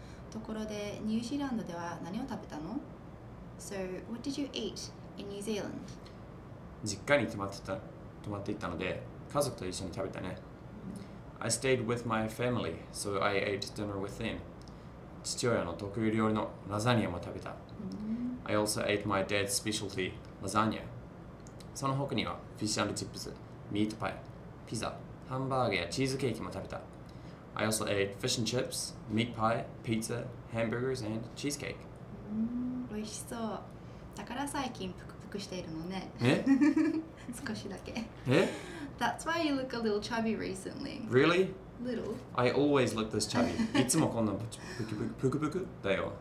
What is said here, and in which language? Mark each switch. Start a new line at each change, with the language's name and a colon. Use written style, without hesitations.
Japanese: ところで、ニュージーランドでは何を食べたの?
English: So, what did you eat in New Zealand?
Japanese: 実家に泊まっていたので、家族と一緒に食べたね。
English: I stayed with my family, so I ate dinner with them.
Japanese: 父親の得意料理のラザニアも食べた。
English: I also ate my dad's specialty, lasagna.
Japanese: その他には、フィッシュ&チップス、ミートパイ、ピザ、ハンバーガーやチーズケーキも食べた。
English: I also ate fish and chips, meat pie, pizza, hamburgers and cheesecake.
Japanese: 美味しそう。だから最近プクプクしているのね。え少しだけ。え
English: That's why you look a little chubby recently. Really? Little? I always look this chubby.
Japanese: いつもこんなプクプクプクプクだよ。